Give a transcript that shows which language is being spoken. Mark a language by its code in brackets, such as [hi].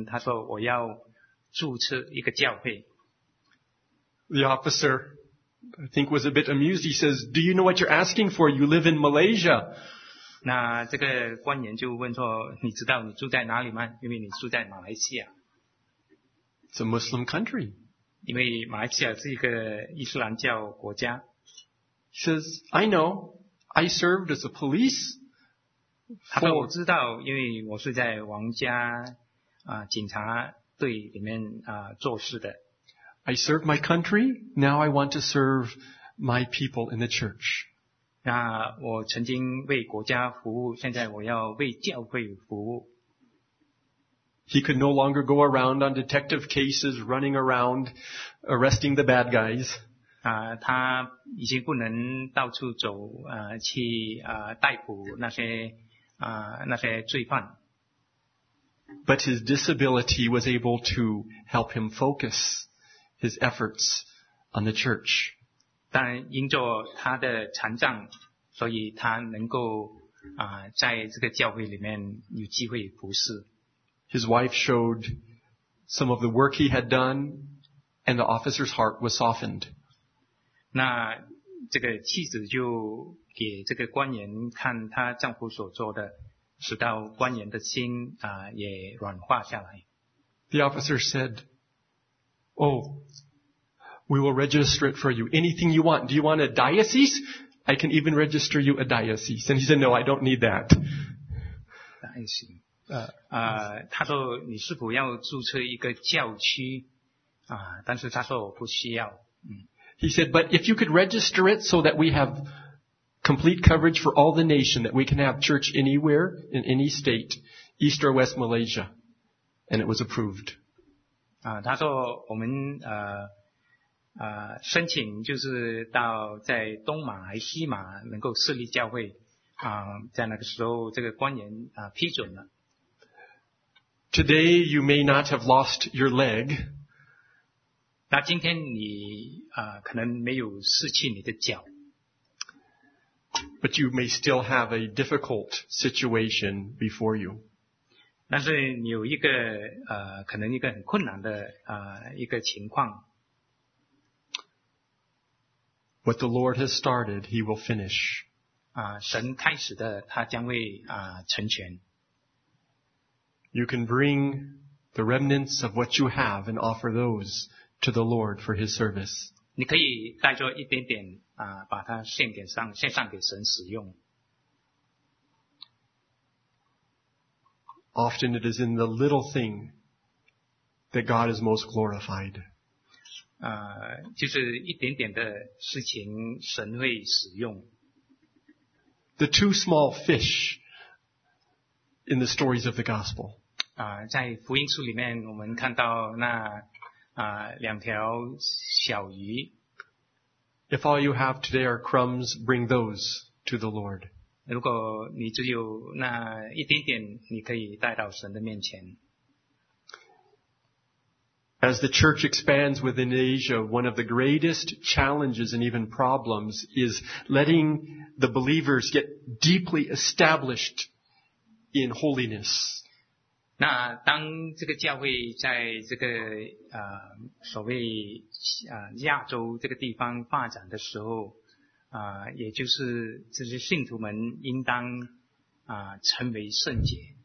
[zh] 那有一天他的妻子就是把他送到这个政府部门，他说我要注册一个教会。 [en] The officer, I think, was a bit amused. He says, do you know what you're asking for? You live in Malaysia. [zh] 那这个官员就问说，你知道你住在哪里吗？因为你住在马来西亚。 [en] It's a Muslim country. [zh] 因为马来西亚是一个伊斯兰教国家。 [en] He says, I know. I served as a police. [zh] 他说我知道，因为我是在王家警察队里面做事的。 [en] I served my country. Now I want to serve my people in the church. [zh] 那我曾经为国家服务，现在我要为教会服务。 [en] He could no longer go around on detective cases, running around, arresting the bad guys. [zh] 啊，他已经不能到处走，去逮捕那些那些罪犯。 [en] But his disability was able to help him focus his efforts on the church. [zh] 但因着他的残障，所以他能够在这个教会里面有机会服侍。 [en] His wife showed some of the work he had done, and the officer's heart was softened. [zh] 那这个妻子就给这个官员看她丈夫所做的，使到官员的心也软化下来。 [en] The officer said, "Oh, we will register it for you. Anything you want. Do you want a diocese? I can even register you a diocese." And he said, "No, I don't need that." Diocese. [zh] 他说你是否要注册一个教区但是他说我不需要。 [en] He said, but if you could register it so that we have complete coverage for all the nation, that we can have church anywhere, in any state, East or West Malaysia. And it was approved. [zh] 他说我们申请就是到在东马还西马能够设立教会在那个时候这个官员批准了。 [en] Today you may not have lost your leg. [zh] 那今天你可能没有失去你的脚。 [en] But you may still have a difficult situation before you. [zh] 但是你有一个可能一个很困难的一个情况。 [en] What the Lord has started, He will finish. [zh] 神开始的他将会成全。 [en] You can bring the remnants of what you have and offer those to the Lord for His service. [zh] 你可以带着一点点把它献上给神使用。 [en] Often it is in the little thing that God is most glorified. [zh] 就是一点点的事情神会使用。 [en] The two small fish in the stories of the Gospel. [zh] 在福音书里面我们看到那两条小鱼。 [en] If all you have today are crumbs, bring those to the Lord. [zh] 如果你只有那一点点你可以带到神的面前。 [en] As the church expands within Asia, one of the greatest challenges and even problems is letting the believers get deeply established in holiness. [zh] 那当这个教会在这个所谓亚洲这个地方发展的时候也就是这些信徒们应当成为圣洁。